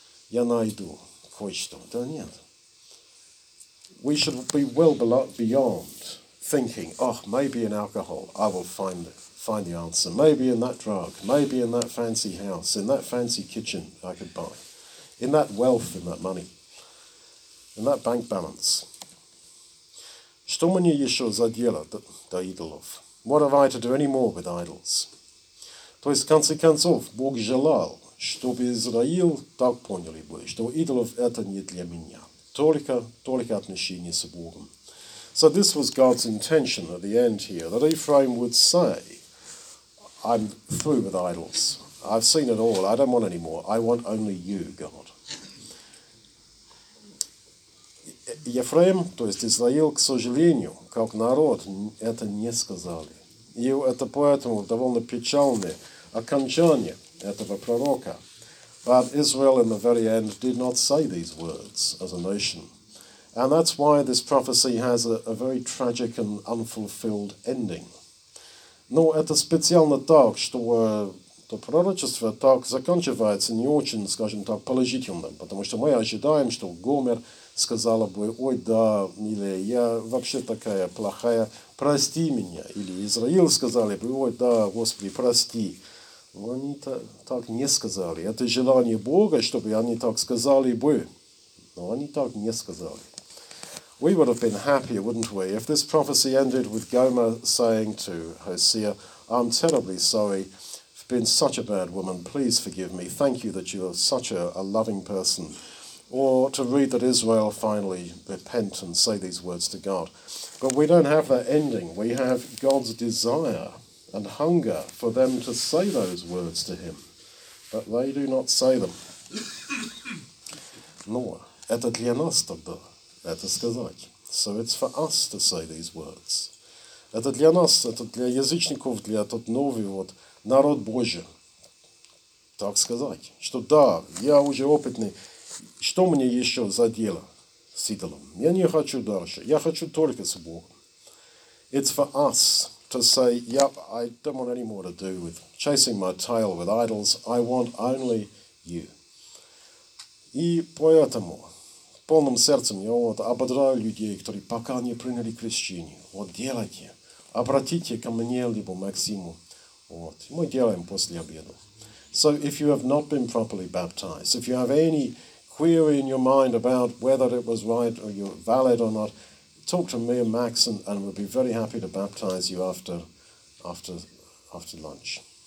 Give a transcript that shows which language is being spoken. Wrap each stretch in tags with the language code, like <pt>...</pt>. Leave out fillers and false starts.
<ru>Я найду кое-что. Да нет.</ru> <en>We should be well beyond thinking, oh, maybe in alcohol I will find the answer. Maybe in that drug, maybe in that fancy house, in that fancy kitchen I could buy. In that wealth, in that money. And that bank balance.</en> <ru>Что мне еще за дело до идолов?</ru> <en>What have I to do anymore with idols?</en> <ru>То есть, в конце концов, Бог желал, чтобы Израил так поняли бы, что идолов это не для меня. Только отношения с Богом.</ru> <en>So this was God's intention at the end here, that Ephraim would say, I'm through with idols. I've seen it all. I don't want any more. I want only you, God.</en> <ru>Ефрем, то есть Израил, к сожалению, как народ, это не сказали. И это поэтому довольно печальное окончание этого пророка.</ru> <en>But Israel in the very end did not say these words as a nation. And that's why this prophecy has a very tragic and unfulfilled ending.</en> <ru>Но это специально так, что то пророчество так заканчивается не очень, скажем так, положительным. Потому что мы ожидаем, что Гомер сказала бы, ой, да, милая, я вообще такая плохая, прости меня. Или Израил сказали бы, ой, да, Господи, прости. Но они так не сказали. Это желание Бога, чтобы они так сказали бы. Но они так не сказали.</ru> <en>We would have been happier, wouldn't we, if this prophecy ended with Gomer saying to Hosea, I'm terribly sorry, I've been such a bad woman, please forgive me, thank you that you're such a loving person. Or to read that Israel finally repent and say these words to God. But we don't have that ending. We have God's desire and hunger for them to say those words to him. But they do not say them.</en> <ru>Но это для нас тогда это сказать.</ru> <en>So it's for us to say these words.</en> <ru>Это для нас, это для язычников, для тот новый вот народ Божий. Так сказать, что да, я уже опытный. Что мне еще за дело с идолом? Я не хочу дальше. Я хочу только с Богом.</ru> <en>It's for us to say, yep, I don't want any more to do with chasing my tail with idols. I want only you.</en> <ru>И поэтому, полным сердцем, я вот ободраю людей, которые пока не приняли крещение. Вот делайте. Обратите ко мне, либо Максиму. Вот. Мы делаем после обеда.</ru> <en>So if you have not been properly baptized, if you have any query in your mind about whether it was right or you're valid or not, talk to me and Max and we'll be very happy to baptize you after lunch.</en>